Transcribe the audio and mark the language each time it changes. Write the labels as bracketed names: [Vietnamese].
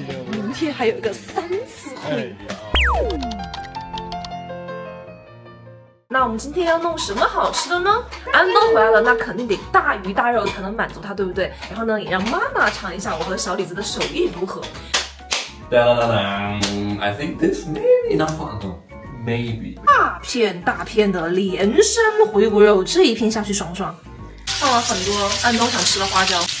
[Chinese] 明天还有一个3次会。那我们今天要弄什么好吃的呢？安东回来了，那肯定得大鱼大肉才能满足他，对不对？然后呢，也让妈妈尝一下我和小李子的手艺如何。 [English] I think this may be enough for Anton. Maybe. [Chinese] 大片大片的连身回锅肉，这一片下去爽爽。放了很多安东想吃的花椒。